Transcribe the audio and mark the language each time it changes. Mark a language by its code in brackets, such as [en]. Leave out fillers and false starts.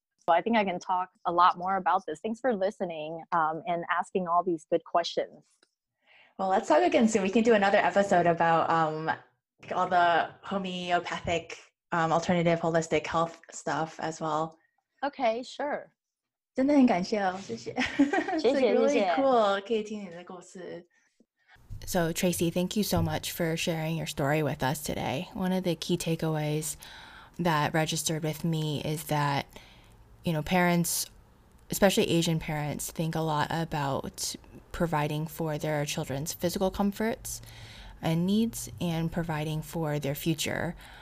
[en] So I think I can talk a lot more about this. Thanks for listening and asking all these good questions. Well, let's talk again soon. We can do another episode about all the homeopathic, alternative, holistic health stuff as well. Okay, sure. [zh] 真的很感谢哦，谢谢。谢谢，谢谢。So [en] Tracy, thank you so much for sharing your story with us today. One of the key takeaways that registered with me is that, you know, parents, especially Asian parents, think a lot about providing for their children's physical comforts and needs and providing for their future.